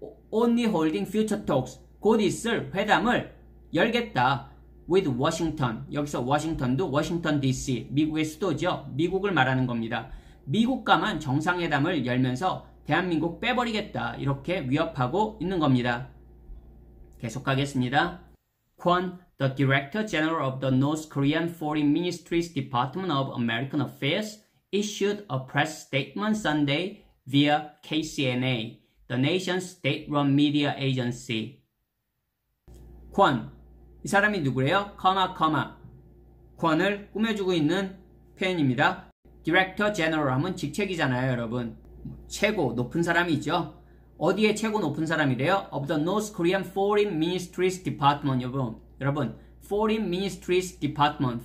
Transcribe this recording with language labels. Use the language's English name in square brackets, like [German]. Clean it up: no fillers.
[English] Only holding future talks. [Korean] 곧 있을 회담을 열겠다. [English] With Washington. [Korean] 여기서 Washington도 Washington DC. 미국의 수도죠. 미국을 말하는 겁니다. 미국과만 정상회담을 열면서 대한민국 빼버리겠다. 이렇게 위협하고 있는 겁니다. 계속하겠습니다. [English] Kwon, the Director General of the North Korean Foreign Ministry's Department of American Affairs, issued a press statement Sunday via KCNA, the nation's state-run media agency. [Korean] Kwon. 이 사람이 누구래요? 커마 커마 권을 꾸며주고 있는 표현입니다. 디렉터 제너럴 하면 직책이잖아요 여러분. 최고 높은 사람이죠. 어디에 최고 높은 사람이래요? [English] Of the North Korean Foreign Ministry's Department. [Korean] 여러분 [English] Foreign Ministry's Department.